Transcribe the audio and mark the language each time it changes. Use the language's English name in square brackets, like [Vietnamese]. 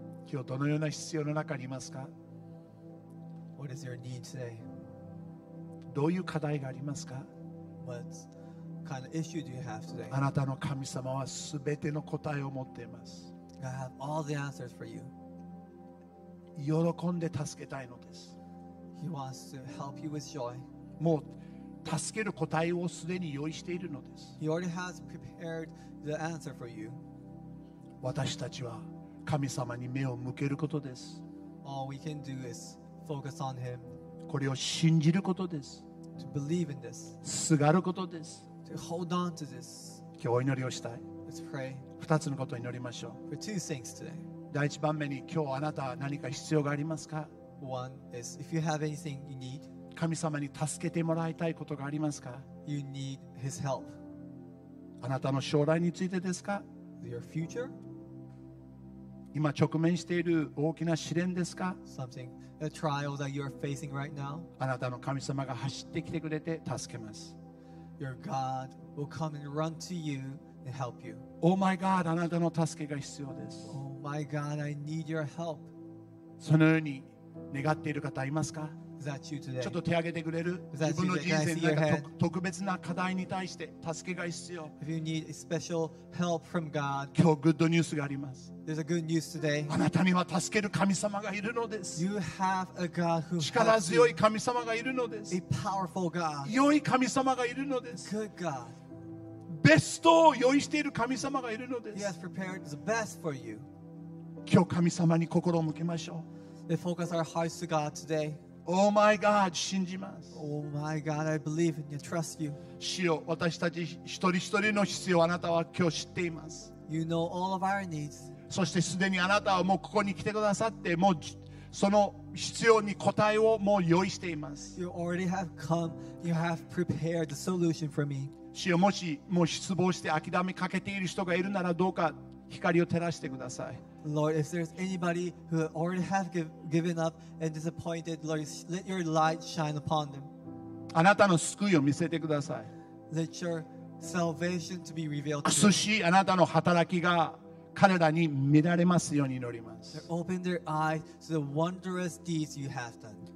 [Japanese] 今日どのような必要の中にいますか? [English] What is your need today? [Japanese] どういう課題がありますか? [English] What kind of issue do you have today? [Japanese] あなたの神様はすべての答えを持っています。 [English] I have all the answers for you. [Japanese] 喜んで助けたいのです。 [English] He wants to help you with joy. [Japanese] もう助ける答えをすでに用意しているのです。 [English] He already has prepared the answer for you. [Japanese] 私たちは神様に目を向けることです。 [English] All we can do is focus on him. [Japanese] これを信じることです。 [English] To believe in this. [Japanese] すがることです。 [English] To hold on to this. [Japanese] 今日お祈りをしたい。 [English] Let's pray. [Japanese] 2つのことを祈りましょう。 [English] For two things today. [Japanese] 第1番目に、今日あなたは何か必要がありますか? [English] One is, if you have anything you need. [Japanese] 神様に助けてもらいたいことがありますか? [English] You need his help. [Japanese] あなたの将来についてですか? [English] Your future? [Japanese] 今直面している大きな試練ですか? [English] Something, a trial that you're facing right now. [Japanese] あなたの神様が走ってきてくれて助けます。 [English] Your God will come and run to you and help you. Oh my God, [Japanese] あなたの助けが必要です。 [English] Oh my God, I need your help. [Japanese] そのように願っている方いますか? [English] Is that you today? [Japanese] ちょっと手を挙げてくれる? [English] Is that you today? [Japanese] 自分の人生の特別な課題に対して助けが必要。 [English] If you need special help from God, [Japanese] 今日グッドニュースがあります。 [English] There's a good news today. [Japanese] あなたには助ける神様がいるのです。 [English] You have a God who [Japanese] 力強い神様がいるのです。 [English] A powerful God. [Japanese] 良い神様がいるのです。 [English] Good God. [Japanese] ベストを用意している神様がいるのです。 [English] He has prepared the best for you. [Japanese] 今日神様に心を向けましょう。 [English] Let's focus our hearts to God today. Oh my God, [Japanese] 信じます。 [English] Oh my God, I believe in you, trust you. [Japanese] 主よ、私たち一人一人の必要をあなたは今日知っています。 [English] You know all of our needs. [Japanese] そしてすでにあなたはもうここに来てくださってもうその必要に答えをもう用意しています。 [English] You already have come. You have prepared the solution for me. [Japanese] 主よ、もしもう失望して諦めかけている人がいるならどうか光を照らしてください。 [English] Lord, if there's anybody who already have given up and disappointed, Lord, let your light shine upon them. [Japanese] あなたの救いを見せてください。 [English] Let your salvation to be revealed. [Japanese] そしてあなたの働きが彼らに見られますように祈ります。 [English] Open their eyes to the wondrous deeds you have done.